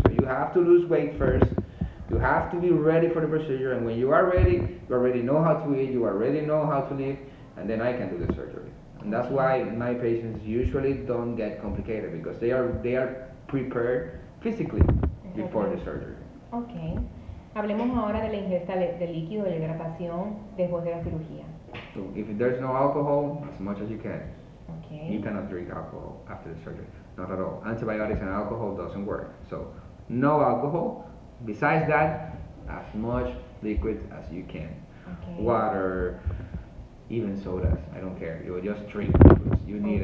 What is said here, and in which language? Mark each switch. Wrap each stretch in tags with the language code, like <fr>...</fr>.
<en>So you have to lose weight first. You have to be ready for the procedure. And when you are ready, you already know how to eat. You already know how to live. And then I can do the surgery. And that's why my patients usually don't get complicated, because they are prepared physically before the surgery. Okay.</en> <es>Hablemos ahora de la ingesta de líquido, de la hidratación después de la cirugía.</es> <en>So if there's no alcohol, as much as you can. Okay. You cannot drink alcohol after the surgery. Not at all. Antibiotics and alcohol doesn't work. So no alcohol. Besides that, as much liquid as you can. Okay. Water, even sodas, I don't care. You just drink. You need</en>